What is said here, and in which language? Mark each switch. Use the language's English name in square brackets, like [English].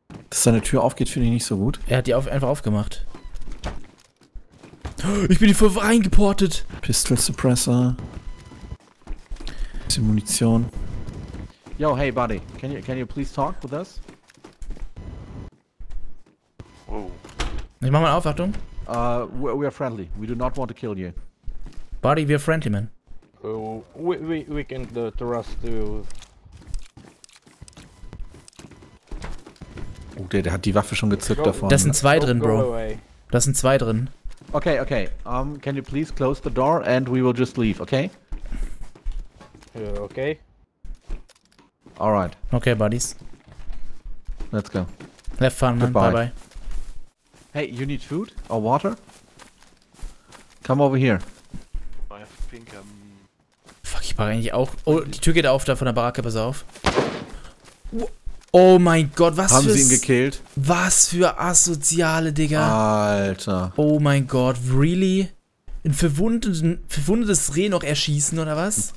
[German] Dass seine Tür aufgeht, finde ich nicht so gut. Er hat die einfach aufgemacht. Ich bin hier voll reingeportet. Pistol Suppressor. Bisschen Munition. [English] Yo, hey buddy, can you please talk with us? Oh. [German] Ich mach mal auf, Achtung. [English] We are friendly. We do not want to kill you. Buddy, we are friendly, man. We can trust you. [German] Oh, der hat die Waffe schon gezückt davon. Da sind zwei drin, Bro. Da sind zwei drin. [English] Okay. Can you please close the door and we will just leave, okay? Okay. Alright. Okay, buddies. Let's go. Have fun, man. Bye bye. Hey, you need food or water? Come over here. I think I'm. [German] Fuck, ich mag eigentlich auch. Oh, die Tür geht auf da von der Baracke, pass auf. Oh mein Gott, was für. Haben sie ihn gekillt? Was für asoziale, Digga. Alter. Oh mein Gott, really? Ein verwundetes Reh noch erschießen, oder was?